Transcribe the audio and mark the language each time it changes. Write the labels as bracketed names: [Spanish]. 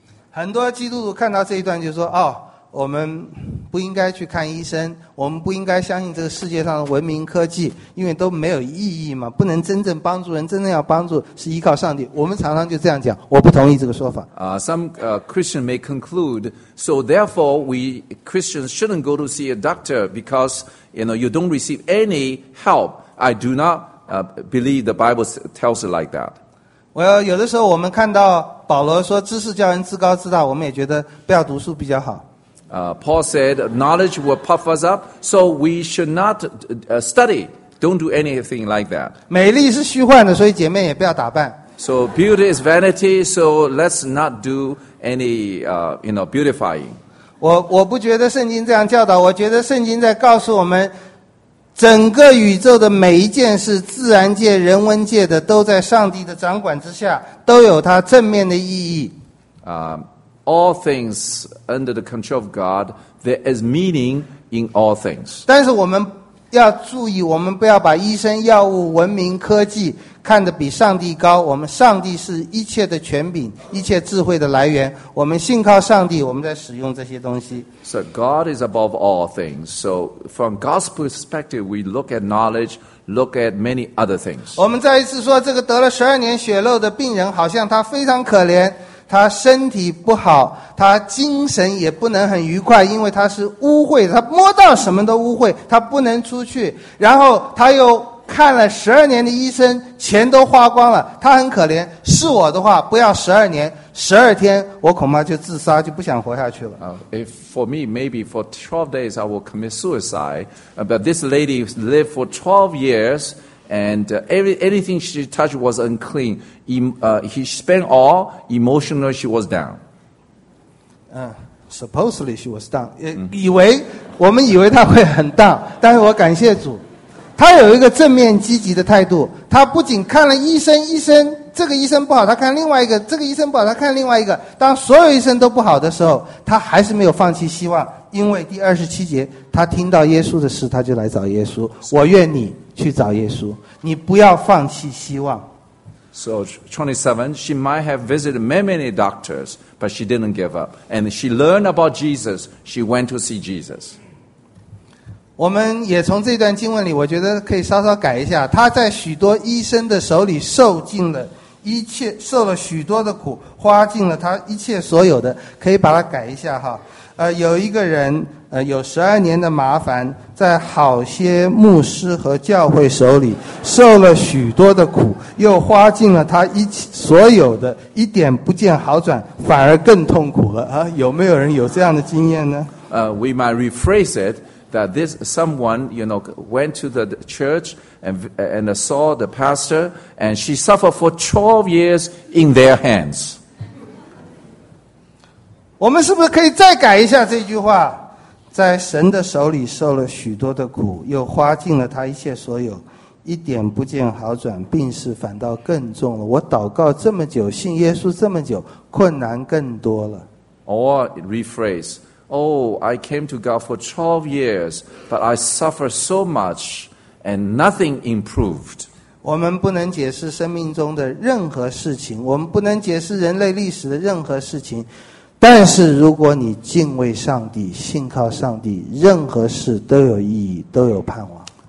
[Chinese] 很多基督徒看到这一段就说，哦，我们不应该去看医生，我们不应该相信这个世界上的文明科技，因为都没有意义嘛，不能真正帮助人，真正要帮助是依靠上帝。我们常常就这样讲，我不同意这个说法。 [English] Christian may conclude, so therefore we Christians shouldn't go to see a doctor because you know you don't receive any help. I do not believe the Bible tells it like that. [Chinese] Well, 有的时候我们看到保罗说知识叫人自高自大，我们也觉得不要读书比较好。 [English] Paul said, knowledge will puff us up, so we should not study. Don't do anything like that. [Chinese] 美丽是虚幻的，所以姐妹也不要打扮。 [English] So beauty is vanity, so let's not do any, you know, beautifying. [Chinese] 我不觉得圣经这样教导，我觉得圣经在告诉我们，整个宇宙的每一件事，自然界、人文界的，都在上帝的掌管之下，都有它正面的意义。 [English] All things under the control of God, there is meaning in all things. [Chinese] 但是我们要注意，我们不要把医生、药物、文明、科技看得比上帝高。我们上帝是一切的权柄，一切智慧的来源。我们信靠上帝，我们在使用这些东西。 [English] So God is above all things. So from God's perspective, we look at knowledge, look at many other things. [Chinese] 我们再一次说，这个得了十二年血漏的病人，好像他非常可怜。他身体不好，他精神也不能很愉快，因为他是污秽，他摸到什么都污秽，他不能出去，然后他又看了十二年的医生，钱都花光了，他很可怜。是我的话，不要十二年，十二天我恐怕就自杀，就不想活下去了。 [English] If for me, maybe for 12 days, I will commit suicide. But this lady lived for 12 years, and anything she touched was unclean. He spent all, emotionally she was down. Supposedly she was down. [Chinese] 我们以为她会很 down, 但是我感谢主。他有一个正面积极的态度，他不仅看了医生，这个医生不好，他看另外一个，这个医生不好，他看另外一个。当所有医生都不好的时候，他还是没有放弃希望，因为第二十七节，他听到耶稣的事，他就来找耶稣。我愿你去找耶稣，你不要放弃希望。 [English] So 27, she might have visited many doctors, but she didn't give up. And she learned about Jesus. She went to see Jesus. [Chinese] 我们也从这段经文里，我觉得可以稍稍改一下。他在许多医生的手里受尽了一切，受了许多的苦，花尽了他一切所有的，可以把它改一下哈。有一个人，有十二年的麻烦，在好些牧师和教会手里受了许多的苦，又花尽了他一切所有的，一点不见好转，反而更痛苦了啊！有没有人有这样的经验呢？ [English] We might rephrase it. That this someone, you know, went to the church and saw the pastor, and she suffered for 12 years in their hands. [Chinese] 我们是不是可以再改一下这句话？在神的手里受了许多的苦，又花尽了他一切所有，一点不见好转，病势反倒更重了。我祷告这么久，信耶稣这么久，困难更多了。 [English] Or rephrase. Oh, I came to God for 12 years, but I suffered so much, and nothing improved. [Chinese] 我们不能解释生命中的任何事情，我们不能解释人类历史的任何事情。但是如果你敬畏上帝，信靠上帝，任何事都有意义，都有盼望。